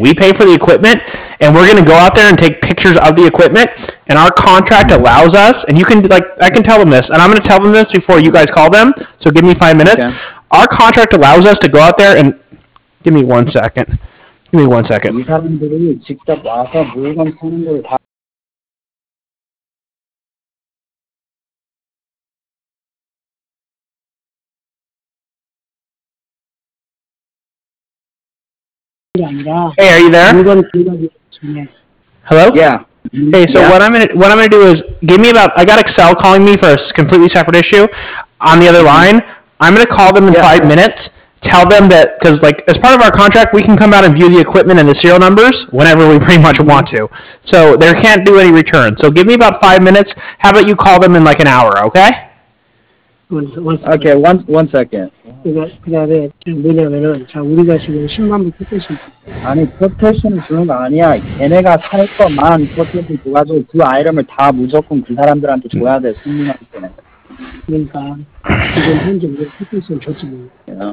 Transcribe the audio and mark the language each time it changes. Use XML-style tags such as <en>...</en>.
<en>We pay for the equipment and we're going to go out there and take pictures of the equipment and our contract allows us and you can like I can tell them this and I'm going to tell them this before you guys call them. So give me 5 minutes. Okay. Our contract allows us to go out there and give me 1 second. Give me 1 second.</en> <ko>이 사람들이 직접 와서 물건 사는 걸 다.</ko> <en>Hey, are you there? Hello? Yeah. Hey, so yeah. What I'm gonna do is give me about. I got Excel calling me for a completely separate issue on the other line. I'm gonna call them in 5 minutes. Tell them that, because like, as part of our contract, we can come out and view the equipment and the serial numbers whenever we pretty much want to. So there can't do any return. So give me about 5 minutes. How about you call them in like an hour, okay? Okay, one second.</en> <ko>그다음에 지금 뭐냐면은 자 우리가 지금 10만 불 퍼테션 아니 퍼테션 주는 거 아니야. 걔네가 살 것만 퍼테션 줘가지고 그 아이템을 다 무조건 그 사람들한테 줘야 돼 손님한테. 그러니까 지금 현재 우리 퍼테션 줬지 뭐.</ko>